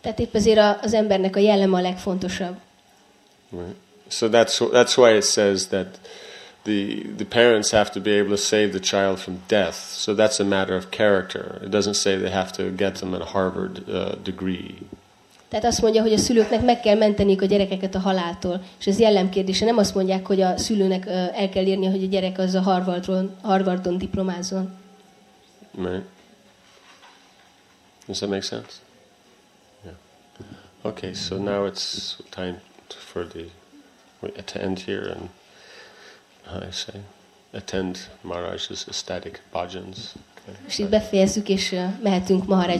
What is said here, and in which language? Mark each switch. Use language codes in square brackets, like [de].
[hu] Tehát épp ezért az embernek a jelleme a legfontosabb. [en] Right. So that's why it says that the parents have to be able to save the child from death. So that's a matter of character. It doesn't say they have to get them a Harvard degree. [hu] Tehát azt mondja, hogy a szülőknek meg kell menteniük a gyerekeket a haláltól. És ez jellemkérdése. Nem azt mondják, hogy a szülőnek el kell érnie, hogy a gyerek az a Harvardon diplomázzon. [en] Right. Does that make sense? Yeah. Okay, so now it's time for to end here and how I say attend Maharaj's ecstatic bhajans. [hu] Most itt befejezzük, és mehetünk Maharaj ecstatikus bhajanjára.